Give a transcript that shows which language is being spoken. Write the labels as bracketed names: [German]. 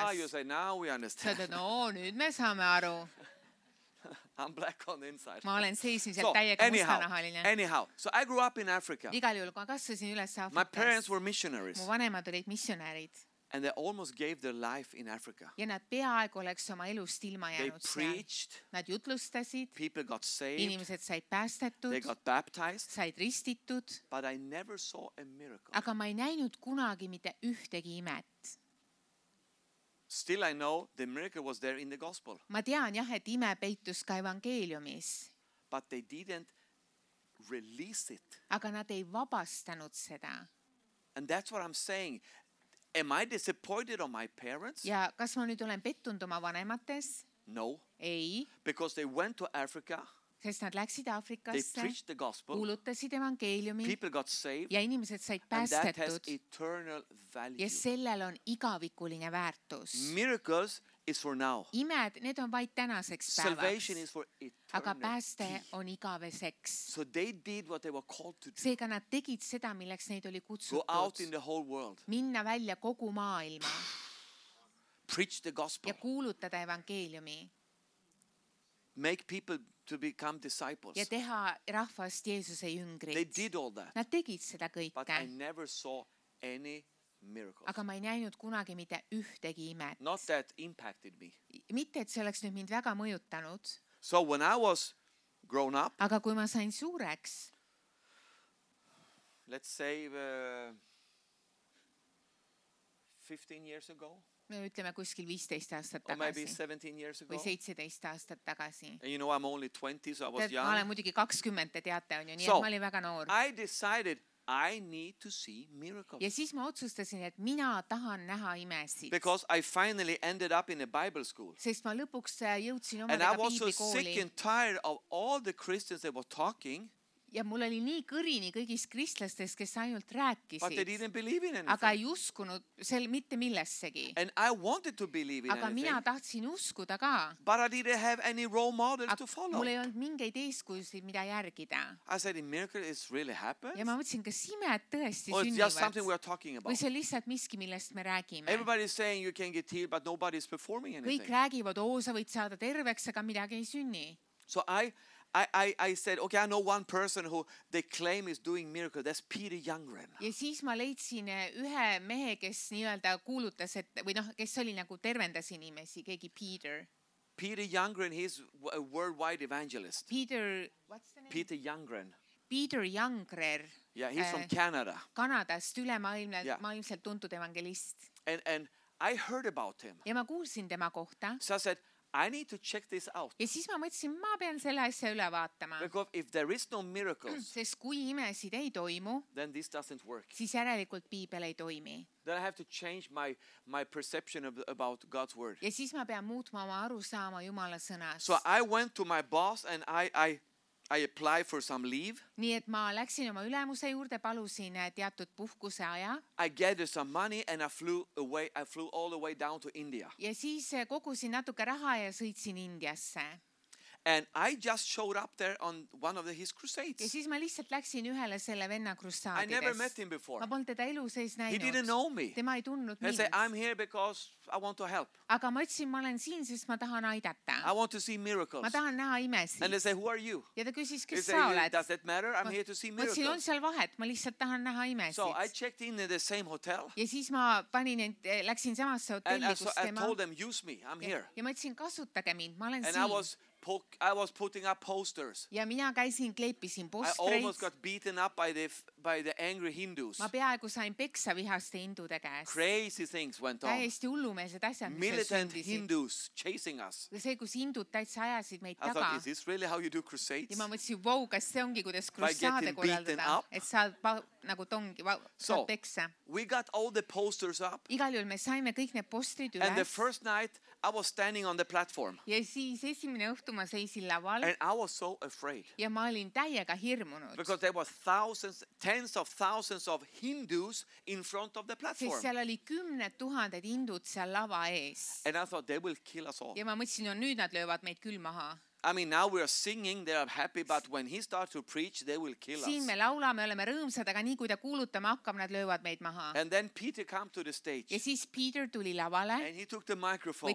[English] Ah, you say now we understand. [Estonian] No, nüüd me saame aru. [English] I'm black on the inside. [Estonian] Ma olen seisniselt täiega mustanahaline. [English] Anyhow, so I grew up in Africa. [Estonian] Igal juhul, kui ma kasvasin üles Afrikas. [English] My parents were missionaries. [Estonian] Mu vanemad olid missionärid. [English] And they almost gave their life in Africa. [Estonian] Ja nad peaaegu oleks oma elust ilma jäänud. [English] They preached. [Estonian] Nad jutlustasid. [English] People got saved. [Estonian] Inimesed said päästetud. [English] They got baptized. [Estonian] Said ristitud. [English] But I never saw a miracle. [Estonian] Aga ma ei näinud kunagi mitte ühtegi imet. [English] Still I know the miracle was there in the gospel. [Estonian] Ma tean jah, et ime peitus ka evangeeliumis. [English] But they didn't release it. [Estonian] Aga nad ei vabastanud seda. [English] And that's what I'm saying. Am I disappointed on my parents? [Estonian] Ja kas ma nüüd olen pettunud oma vanemates? [English] No. [Estonian] Ei. [English] Because they went to Africa. [Estonian] Sest nad läksid Afrikasse. [English] They preached the gospel. [Estonian] Kuulutasid evangeeliumi. [English] People got saved. [Estonian] Ja inimesed said päästetud. [English] And that has eternal value. [Estonian] Ja sellel on igavikuline väärtus. [English] Miracles is for now. [Estonian] Imed, need on vaid tänaseks päevaks. [English] Salvation is for eternity. [Estonian] Aga pääste on igaveseks. [English] So they did what they were called to do. [Estonian] Seega nad tegid seda, milleks neid oli kutsutud. [English] Go out in the whole world. [Estonian] Minna välja kogu maailma. [English] Preach the gospel. [Estonian] Ja kuulutada evangeeliumi. [English] Make people to become disciples. [Estonian] Ja teha rahvast Jeesuse jüngrid. [English] They did all that. [Estonian] Nad tegid seda kõike. [English] But I never saw any miracles. [Estonian] Aga ma ei näinud kunagi mitte ühtegi imet. [English] Not that impacted me. [Estonian] Mitte, et see oleks nüüd mind väga mõjutanud. [English] So when I was grown up. [Estonian] Aga kui ma sain suureks. [English] Let's say 15 years ago. [Estonian] Me ütleme kuskil 15 aastat tagasi. [English] Or maybe 17 years ago. [Estonian] Või 17 aastat tagasi. [English] And you know I'm only 20, so I was young. [Estonian] Ma olen muidugi 20, te teate on ju, nii et ma olin väga noor. [English] I decided I need to see miracles. [Estonian] Ja siis ma otsustasin, et mina tahan näha imesid. [English] Because I finally ended up in a Bible school. [Estonian] Sest ma lõpuks jõudsin omadega piibikooli. [English] And I was so sick and tired of all the Christians that were talking. [Estonian] Ja mul oli nii kõrini kõigis kristlastes, kes ainult rääkisid. [English] But they didn't believe in anything. [Estonian] Aga ei uskunud sel mitte millessegi. [English] And I wanted to believe in anything. [Estonian] Aga mina tahtsin uskuda ka. [English] But I didn't have any role model to follow. [Estonian] Mul ei olnud mingeid eeskujusid, mida järgida. [English] I said, miracle is really happened? [Estonian] Ja ma mõtlesin, kas ime tõesti sünnivad. [English] Or just something we are talking about. [Estonian] Või see lihtsalt miski, millest me räägime. [English] Everybody is saying you can get healed, but nobody is performing anything. [Estonian] Kõik räägivad, oo, sa võid saada terveks, aga midagi ei sünni. [English] So I said, okay, I know one person who they claim is doing miracle. That's Peter Youngren. [Estonian] Ja siis ma leidsin ühe mehe, kes nii-öelda kuulutas, et või noh, kes oli nagu tervendas inimesi, keegi Peter. [English] Peter Youngren, he's a worldwide evangelist. Peter, what's the name? Peter Youngren. Peter Youngren. Yeah, he's from Canada. [Estonian] Kanadast ülemaailmselt tuntud evangelist. [English] And I heard about him. [Estonian] Ja ma kuulsin tema kohta. [English] So I said, I need to check this out. [Estonian] Ja siis ma mõtlesin, ma pean selle asja üle vaatama. [English] Because if there is no miracles, [Estonian] sest kui imesid ei toimu, [English] then this doesn't work. [Estonian] Siis järelikult piibel ei toimi. [English] Then I have to change my perception about God's word. [Estonian] Ja siis ma pean muutma oma aru saama Jumala sõnas. [English] So I went to my boss and I apply for some leave. [Estonian] Nii et ma läksin oma ülemuse juurde, palusin teatud puhkuse aja. [English] I gathered some money and I flew all the way down to India. [Estonian] Ja siis kogusin natuke raha ja sõitsin Indiasse. [English] And I just showed up there on one of his crusades. [Estonian] Ja siis ma lihtsalt läksin ühele selle venna krusaadides. [English] I never met him before. [Estonian] Ma polnud teda elu sees näinud. [English] He didn't know me. [Estonian] Tema ei tunnud mind. [English] He said, I'm here because I want to help. [Estonian] Aga ma ütlesin, ma olen siin, sest ma tahan aidata. [English] I want to see miracles. [Estonian] Ma tahan näha imesid. [English] And he said, who are you? [Estonian] Ja ta küsis, kes sa oled? [English] Does it matter? I'm here to see miracles. [Estonian] Ma ütlesin, on seal vahet. Ma lihtsalt tahan näha imesid. [English] So I checked in the same hotel. [Estonian] Ja siis ma panin, läksin samasse hotelli, kus tema. [English] And I told them, use me. I'm here. [Estonian] Ja ma ütlesin, kasutage mind. Ma olen siin. [English] I was putting up posters. [Estonian] Ja mina käisin kleepisin postreid. [English] I almost got beaten up by the angry Hindus. [Estonian] Ma peaaegu sain peksa vihaste hindude käes. [English] Crazy things went on. [Estonian] Täiesti hullumeelsed asjad. [English] Militant Hindus chasing us. [Estonian] Ja see, kus hindud täitsa ajasid meid taga. [English] I thought, is this really how you do crusades? [Estonian] Ja ma mõtlesin, wow, kas see ongi, kuidas krusaade korraldada. Et saad nagu tongi, saad peksa. [English] So, we got all the posters up. [Estonian] Igal juhul me saime kõik need postrid üles. [English] And the first night, I was standing on the platform. [Estonian] Ja siis esimene õhtu ma seisin laval. [English] And I was so afraid. [Estonian] Ja ma olin täiega hirmunud. [English] Because there was thousands, tens of thousands of Hindus in front of the platform. [Estonian] Sest seal oli kümned tuhanded hindud seal lava ees. [English] And I thought they will kill us all. [Estonian] Ja ma mõtlesin, on nüüd nad löövad meid küll maha. [English] I mean, now we are singing, they are happy, but when he starts to preach, they will kill us. [Estonian] Siin me laulame, oleme rõõmsad, aga nii kui ta kuulutama hakkab, nad löövad meid maha. [English] And then Peter came to the stage. [Estonian] Ja siis Peter tuli lavale. [English] And he took the microphone.